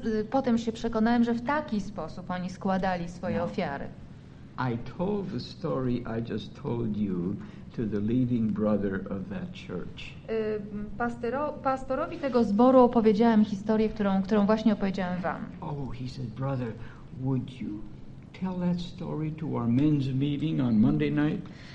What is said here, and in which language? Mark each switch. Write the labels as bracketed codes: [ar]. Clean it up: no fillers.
[pl] Potem się przekonałem, że w taki sposób oni składali swoje ofiary. [en] I told the story I just told you to the leading brother of that church. [pl] Pastorowi tego zboru opowiedziałem historię, którą właśnie opowiedziałem wam. [en] Oh, he said, brother, would you tell that story to our men's meeting on Monday night?